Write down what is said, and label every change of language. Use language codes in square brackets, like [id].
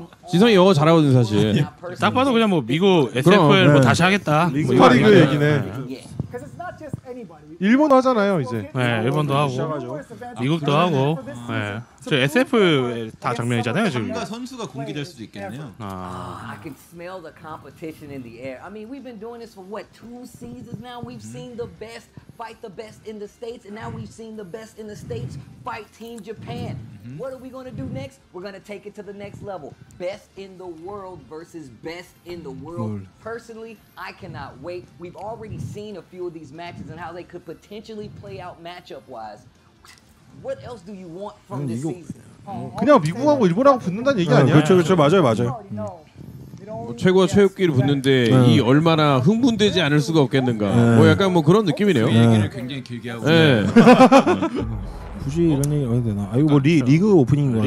[ko] 지성이 영어 잘하거든 사실. 딱 봐도 그냥 뭐 미국 SF를 그럼, 네. 뭐 다시 하겠다. 리그 얘기네. 일본 하잖아요 이제. 네, 일본도 하고 미국도 하고. 네. 저 SF 다 장면이잖아요 지금. 뭔가 선수가 공개될 수도 있겠네요. 아. [en] I can smell the competition in the air. I mean, we've been doing this for what, two seasons now. We've seen the best fight the best in the states, and now we've seen the best in the states fight Team Japan. What are we gonna do next? We're gonna take it to the next level. Best in the world versus best in the world. Personally, I cannot wait. We've already seen a few of these matches and how they could potentially play out matchup-wise. What else do you want from this season? [ko] 그냥 미국하고 일본하고 붙는다는 얘기 아니야? 그렇죠, 그렇죠, 맞아요, 맞아요. 뭐 최고 최육기를 붙는데 이 얼마나 흥분되지 않을 수가 없겠는가. 뭐 약간 뭐 그런 느낌이네요. 이 얘기를 굉장히 길게 하고. 굳이 이런 얘기 해야 되나? 아 이거 뭐 리그 오프닝인 것 같은데.